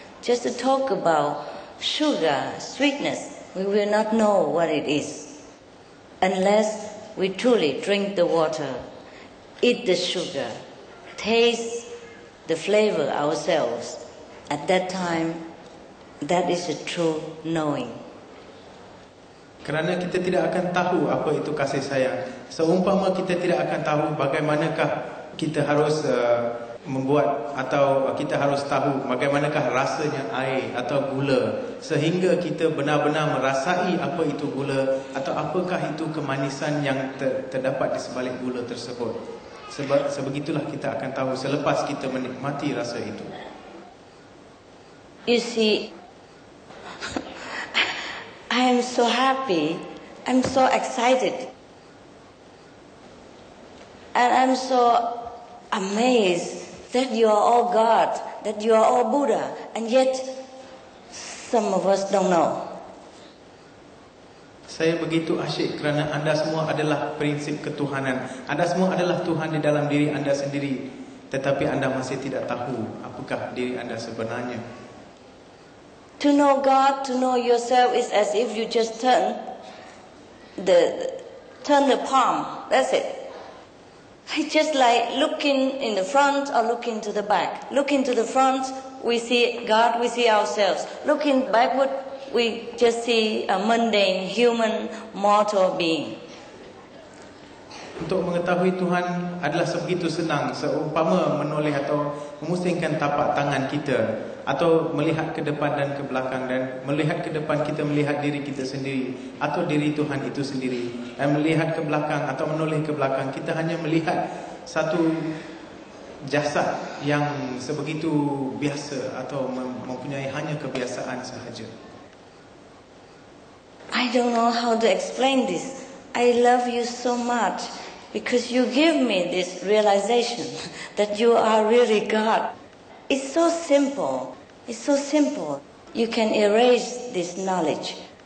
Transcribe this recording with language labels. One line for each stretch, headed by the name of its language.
English: Just to talk about sugar, sweetness, we will not know what it is unless we truly drink the water, eat the sugar, taste the flavor ourselves. At that time, that is a true knowing.
Malay: Kerana kita tidak akan tahu apa itu kasih sayang, seumpama kita tidak akan tahu bagaimanakah kita harus membuat atau kita harus tahu bagaimanakah rasanya air atau gula sehingga kita benar-benar merasai apa itu gula atau apakah itu kemanisan yang terdapat di sebalik gula tersebut. Sebab sebegitulah kita akan tahu selepas kita menikmati rasa itu.
English: You see, I am so happy, I'm so excited, and I'm so amazed that you are all God, that you are all Buddha, and yet some of us don't know.
Malay: Saya begitu asyik kerana anda semua adalah prinsip ketuhanan. Anda semua adalah Tuhan di dalam diri anda sendiri, tetapi anda masih tidak tahu apakah diri anda sebenarnya.
English: To know God, to know yourself is as if you just turn the palm. That's it. It's just like looking in the front or looking to the back. Looking to the front, we see God, we see ourselves. Looking backward, we just see a mundane human mortal being.
Malay: Untuk mengetahui Tuhan adalah sebegitu senang, seumpama menoleh atau memusingkan tapak tangan kita atau melihat ke depan dan ke belakang, dan melihat ke depan kita melihat diri kita sendiri atau diri Tuhan itu sendiri, dan melihat ke belakang atau menoleh ke belakang kita hanya melihat satu jasad yang sebegitu biasa atau mempunyai hanya kebiasaan sahaja.
English: I don't know how to explain this. I love you so much because you give me this realization that you are really God. It's so simple. It's so simple. You can erase this knowledge.